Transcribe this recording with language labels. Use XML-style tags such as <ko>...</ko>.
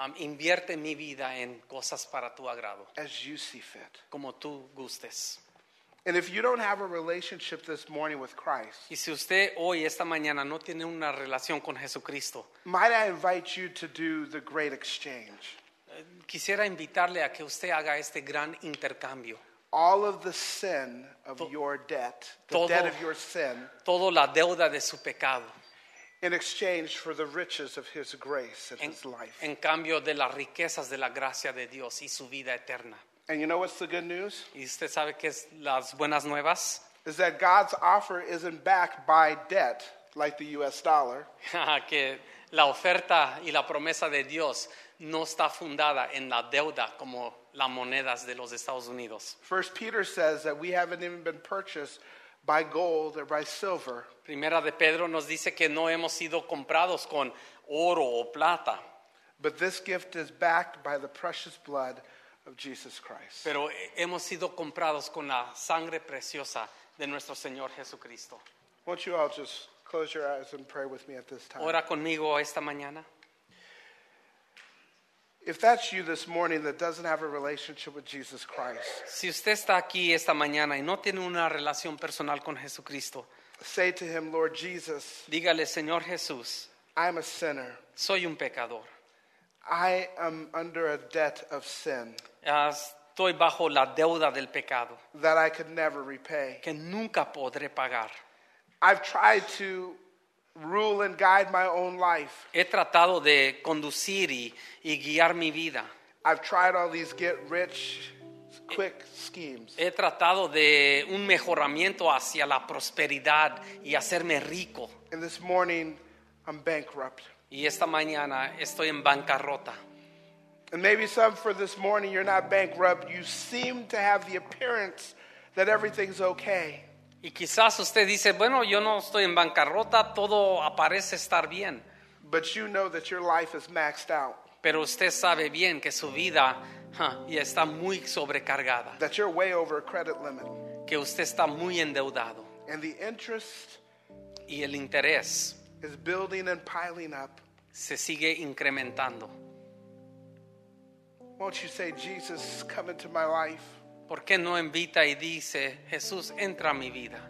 <es>Invierte mi vida en cosas para tu agrado.</es> <en>As you see fit.</en> <es>Como tú gustes.</es> <en>And if you don't have a relationship this morning with Christ,</en> <es>y si usted hoy esta mañana no tiene una relación con Jesucristo,</es> <en>might I invite you to do the great exchange?</en> <es>Quisiera invitarle a que usted haga este gran intercambio.</es> <en>All of the sin of your debt, debt of your sin,</en> <es>todo la deuda de su pecado,</es> <en>in exchange for the riches of His grace and His life.</en> <es>En cambio de las riquezas de la gracia de Dios y su vida eterna.</es> <en>And you know what's the good news?</en> <es>¿Y usted sabe qué es las buenas nuevas?</es> <en>Is that God's offer isn't backed by debt, like the U.S. dollar.</en> <es>Que la oferta y la promesa de Dios no está fundada en la deuda como las monedas de los Estados Unidos.</es> <en>First Peter says that we haven't even been purchased by gold or by silver.</en> <es>Primera de Pedro nos dice que no hemos sido comprados con oro o plata.</es> <en>But this gift is backed by the precious blood of Jesus Christ.</en> <es>Pero hemos sido comprados con la sangre preciosa de nuestro Señor Jesucristo.</es> <en>Won't you all just close your eyes and pray with me at this time?</en> <es>Ora conmigo esta mañana.</es> <en>If that's you this morning that doesn't have a relationship with Jesus Christ.</en> <es>Si usted está aquí esta mañana y no tiene una relación personal con Jesucristo.</es> <en>Say to Him, Lord Jesus.</en> <es>Dígale, Señor Jesús.</es> <en>I am a sinner.</en> <es>Soy un pecador.</es> <en>I am under a debt of sin.</en> <es>Estoy bajo la deuda del pecado.</es> <en>That I could never repay.</en> <es>Que nunca podré pagar.</es> <en>I've tried to rule and guide my own life.</en> <es>He tratado de conducir y guiar mi vida.</es> <en>I've tried all these get rich quick schemes.</en> <es>He tratado de un mejoramiento hacia la prosperidad y hacerme rico.</es> <en>And this morning I'm bankrupt.</en> <es>Y esta mañana estoy en bancarrota.</es> <en>And maybe some for this morning you're not bankrupt. You seem to have the appearance that everything's okay.</en> <es>Y quizás usted dice, bueno, yo no estoy en bancarrota. Todo aparece estar bien.</es> <en>But you know that your life is maxed out.</en> <es>Pero usted sabe bien que su vida ya está muy sobrecargada.</es> <en>That you're way over a credit limit.</en> <es>Que usted está muy endeudado.</es> <en>And the interest.</en> <es>Y el interés.</es> <en>Is building and piling up.</en> <es>Se sigue incrementando.</es> <en>Won't you say, Jesus, come into my life?</en> <es>¿Por qué no invita y dice, Jesús, entra a mi vida?</es>